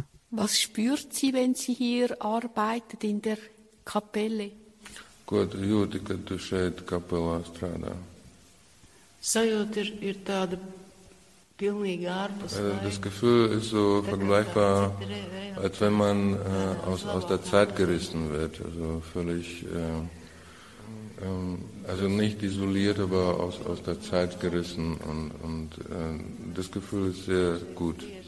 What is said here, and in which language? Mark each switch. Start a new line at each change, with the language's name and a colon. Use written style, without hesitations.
German: Was spürt sie, wenn sie hier arbeitet in der Kapelle?
Latvian: Gut, jūti, kad tu šeit kapelā strādā. Sajūta ir tāda pilnīgi ārpus.
German: Das Gefühl ist so vergleichbar, als wenn man aus der Zeit gerissen wird, also völlig, also nicht isoliert, aber aus der Zeit gerissen und das Gefühl ist sehr gut.